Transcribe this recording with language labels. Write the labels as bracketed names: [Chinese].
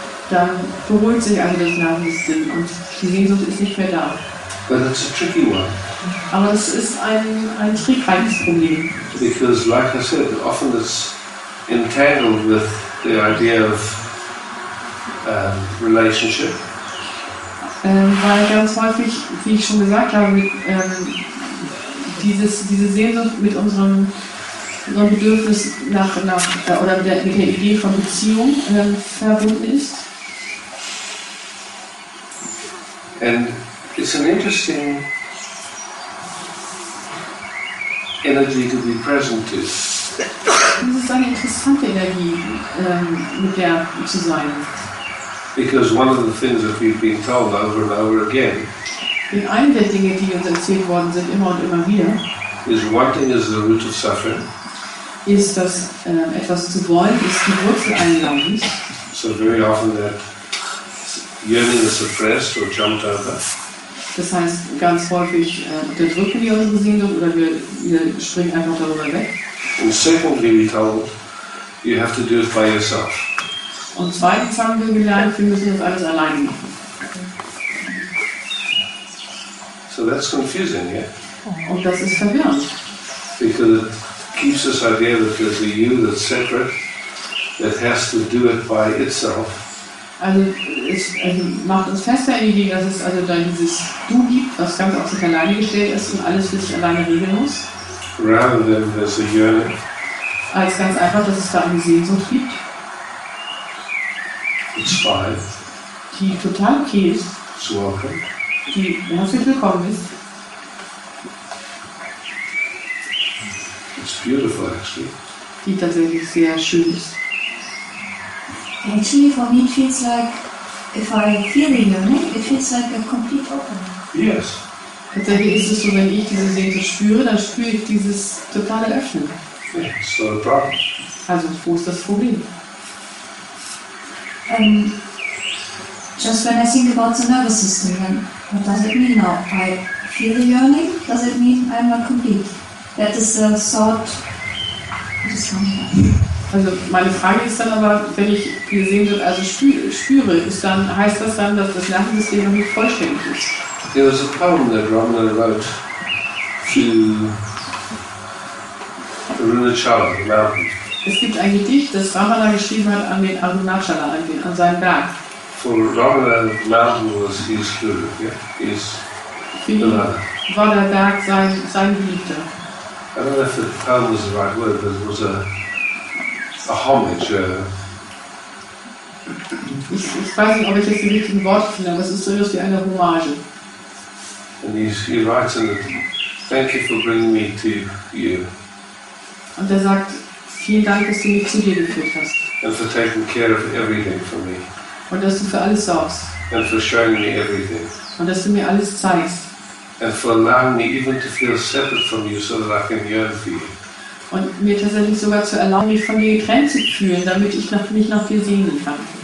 [German] Dann beruhigt sich also das Nervensystem und die Sehnsucht ist nicht mehr da. [English] But it's a tricky one. [German] Aber es ist ein trickreiches Problem. [English] Because, like I said, often it's entangled with the idea of relationship. [German] Weil ganz häufig, wie ich schon gesagt habe, mit, diese Sehnsucht mit unserem Bedürfnis nach oder mit der Idee von Beziehung verbunden ist. [English] And it's an interesting energy to be present to. [German] Das ist eine interessante Energie, mit der zu sein. [English] Because one of the things that we've been told over and over again. [German] Denn eine der Dinge, die uns erzählt worden sind, immer und immer wieder. [English] Is wanting is the root of suffering. [German] Ist das etwas zu wollen, ist die Wurzel allen Leidens. [English] So very often that yearning is suppressed or jumped over. [German] Das heißt, ganz häufig unterdrücken wir unsere Sehnsucht oder wir springen einfach darüber weg. [English] And secondly, we told you have to do it by yourself. [German] Und zweitens haben wir gelernt, wir müssen das alles alleine machen. [English] So that's confusing, yeah? [German] Und das ist verwirrend. [English] Because it keeps this idea that there's a you that's separate, that has to do it by itself. [German] Also macht uns fest der Idee, dass es also dann dieses Du gibt, was ganz auf sich alleine gestellt ist und alles für sich alleine regeln muss. [English] Rather than there's a yearning. [German] Als ganz einfach, dass es da eine Sehnsucht gibt. [English] It's fine. [German] Die total okay ist. [English] It's welcome. [German] Die herzlich willkommen ist. [English] It's beautiful, actually. [German] Die tatsächlich sehr schön ist. [English] Actually, for me, it feels like if I feel the yearning, it feels like a complete opening. Yes. [German] Tatsächlich ist es so, wenn ich diese Sehnsucht spüre, dann spüre ich dieses totale Öffnen. [English] It's not a problem. [German] Also, wo ist das Problem? [English] Just when I think about the nervous system, then what does it mean now? I feel the yearning, does it mean I'm not complete? That is the thought. [German] Also meine Frage ist dann aber, wenn ich gesehen wird, also spüre, ist dann, heißt das dann, dass das Nervensystem noch nicht vollständig ist? [English] There was a poem that Ramana wrote to Arunachala, the mountain. [German] Es gibt ein Gedicht, das Ramana geschrieben hat an den Arunachala, an seinem Berg. [English] For Ramana, the mountain was his guru, yeah? His [German] beloved. War der Berg sein Geliebter? [English] I don't know if the poem was the right word, but it was a homage. [German] Ich weiß nicht, ob ich jetzt die richtigen Worte finde, aber es ist so etwas wie eine Hommage. [English] And he writes in it, thank you for bringing me to you. [German] Und er sagt, vielen Dank, dass du mich zu dir geführt hast. [English] And for taking care of everything for me. [German] Und dass du für alles sorgst. [English] And for showing me everything. [German] Und dass du mir alles zeigst. [English] And for allowing me even to feel separate from you so that I can yearn for you. [German] Und mir tatsächlich sogar zu erlauben, mich von dir getrennt zu fühlen, damit ich mich noch viel sehnen kann.